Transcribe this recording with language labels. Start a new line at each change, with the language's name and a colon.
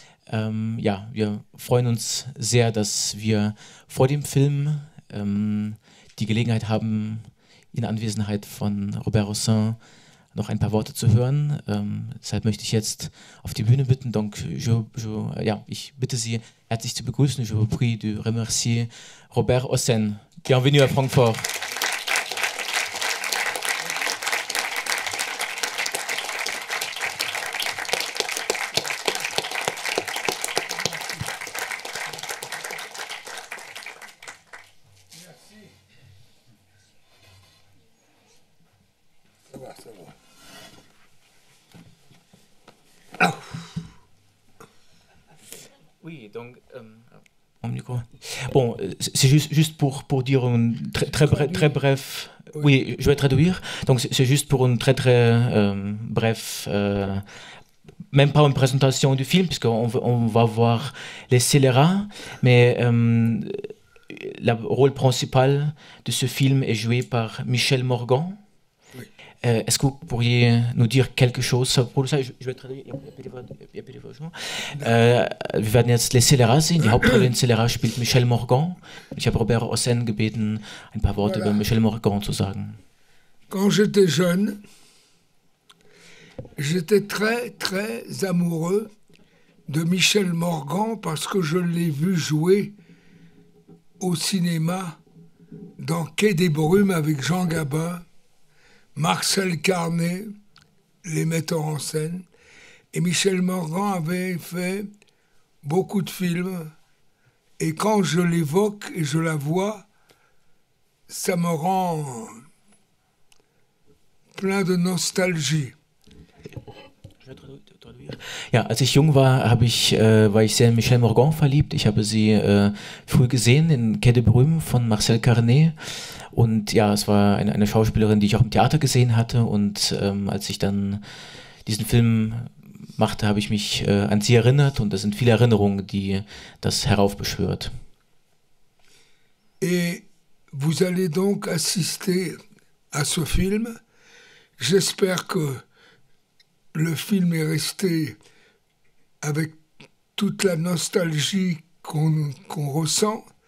German: Ja, wir freuen uns sehr, dass wir vor dem Film die Gelegenheit haben, in Anwesenheit von Robert Aucin noch ein paar Worte zu hören. Deshalb möchte ich jetzt auf die Bühne bitten. Donc, ich bitte Sie, herzlich zu begrüßen.
French: Je vous prie de remercier Robert Aucin. Bienvenue à Francfort. Bon, c'est juste pour dire une très bref. Oui, je vais traduire. Donc c'est juste pour une très bref, même pas une présentation du film, puisqu'on va voir Les Scélérats, mais le rôle principal de ce film est joué par Michel Morgan. Est-ce que vous pourriez nous dire quelque chose pour ça? Je vais traduire.
German: Wir werden jetzt Les Scélérats sehen. Die Hauptrolle in Scélérats spielt Michel Morgan. Ich habe Robert Aucin gebeten, ein paar Worte über Michel Morgan zu sagen.
French: Quand j'étais jeune, j'étais très, très amoureux de Michel Morgan parce que je l'ai vu jouer au cinéma dans Quai des Brumes avec Jean Gabin, Marcel Carnet, les metteurs en scène. Et Michel Morgan avait fait beaucoup de films. Et quand je l'évoque et je la vois, ça me rend plein de nostalgie.
German: Ja, als ich jung war, war ich sehr in Michel Morgan verliebt. Ich habe sie früh gesehen in Quai des Brumes von Marcel Carnet. Und ja, es war eine Schauspielerin, die ich auch im Theater gesehen hatte. Und als ich dann diesen Film machte, habe ich mich an sie erinnert. Und es sind viele Erinnerungen, die das heraufbeschwört.
French: Et vous allez donc assister à ce film. J'espère que le film est resté avec toute la nostalgie qu'on ressent.